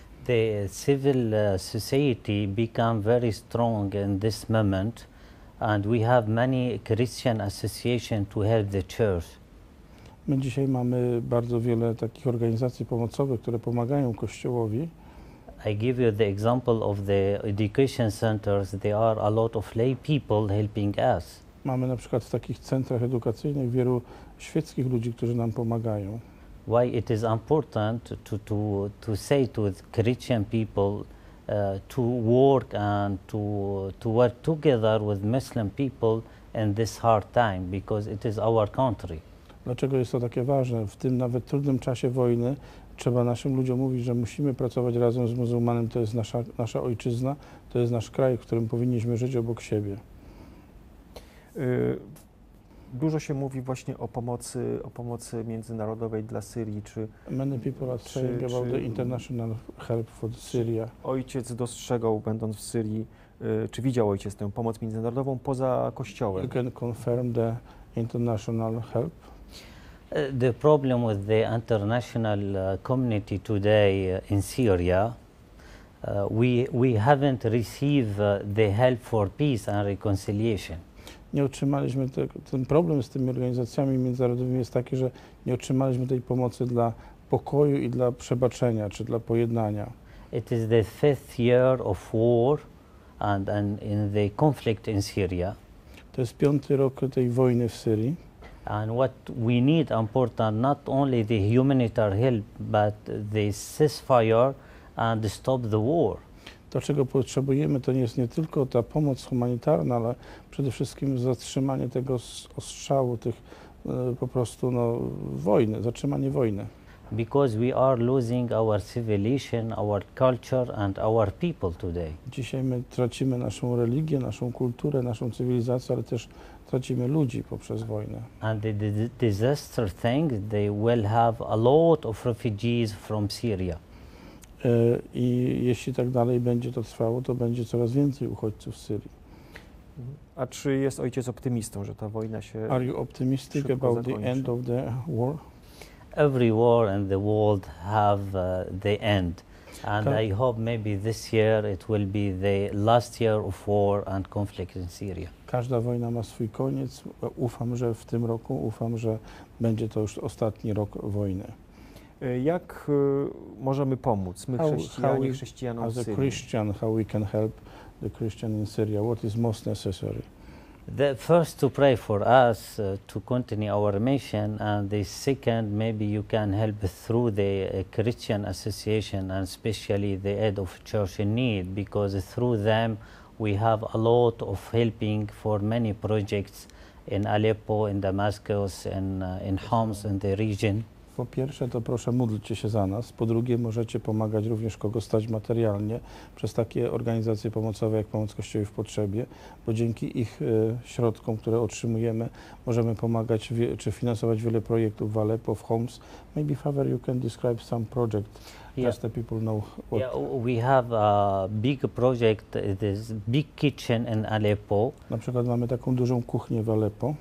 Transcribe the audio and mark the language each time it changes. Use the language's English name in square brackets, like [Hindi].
[English] The civil society become very strong in this moment and we have many Christian associations to help the church. [Polish] My dzisiaj mamy bardzo wiele takich organizacji pomocowych, które pomagają Kościołowi. [English] I give you the example of the education centers. There are a lot of lay people helping us. [Polish] Mamy na przykład w takich centrach edukacyjnych wielu świeckich ludzi, którzy nam pomagają. [English] Why it is important to say to the Christian people to work and to work together with Muslim people in this hard time, because it is our country. [Polish] Dlaczego jest to takie ważne? W tym nawet trudnym czasie wojny trzeba naszym ludziom mówić, że musimy pracować razem z muzułmanem. To jest nasza ojczyzna, to jest nasz kraj, w którym powinniśmy żyć obok siebie. Dużo się mówi właśnie o pomocy międzynarodowej dla Syrii, czy... [English] Many people are saying about the international help for Syria. [Polish] Ojciec dostrzegał, będąc w Syrii, czy widział ojciec tę pomoc międzynarodową poza kościołem? [English] You can confirm the international help. The problem with the international community today in Syria, we haven't received the help for peace and reconciliation. [Polish] Nie otrzymaliśmy tego. Ten problem z tymi organizacjami międzynarodowymi jest taki, że nie otrzymaliśmy tej pomocy dla pokoju i dla przebaczenia, czy dla pojednania. [English] It is the fifth year of war and in the conflict in Syria. [Polish] To jest piąty rok tej wojny w Syrii. [English] And what we need important not only the humanitarian help, but the ceasefire and stop the war. [Polish] To, czego potrzebujemy, to jest nie tylko ta pomoc humanitarna, ale przede wszystkim zatrzymanie tego ostrzału, tych po prostu no, wojny, zatrzymanie wojny. [English] Because we are losing our civilization, our culture and our people today. [Polish] Dzisiaj my tracimy naszą religię, naszą kulturę, naszą cywilizację, ale też tracimy ludzi poprzez wojnę. [English] And the disaster thing, they will have a lot of refugees from Syria. [Polish] I jeśli tak dalej będzie to trwało, to będzie coraz więcej uchodźców z Syrii. A czy jest ojciec optymistą, że ta wojna się szybko zakończy? [English] Are you optimistic about the end of the war? Every war in the world have the end. And I hope maybe this year it will be the last year of war and conflict in Syria. [Polish] Każda wojna ma swój koniec. Ufam, że w tym roku, ufam, że będzie to już ostatni rok wojny. Jak możemy pomóc my chrześcijanom w Syrii? [English] As a Christian, how we can help the Christian in Syria? What is most necessary? The first to pray for us to continue our mission, and the second, maybe you can help through the Christian Association and especially the aid of Church in Need, because through them we have a lot of helping for many projects in Aleppo, in Damascus, in Homs, in the region. [Polish] Po pierwsze, to proszę, módlcie się za nas. Po drugie, możecie pomagać również, kogo stać materialnie, przez takie organizacje pomocowe, jak Pomoc Kościołowi w Potrzebie, bo dzięki ich środkom, które otrzymujemy, możemy pomagać czy finansować wiele projektów w Aleppo, w Homs. [English] Maybe, Father, you can describe some project, yeah. Just the people know what... Yeah, we have a big project, this big kitchen in Aleppo. [Polish] Na przykład mamy taką dużą kuchnię w Aleppo.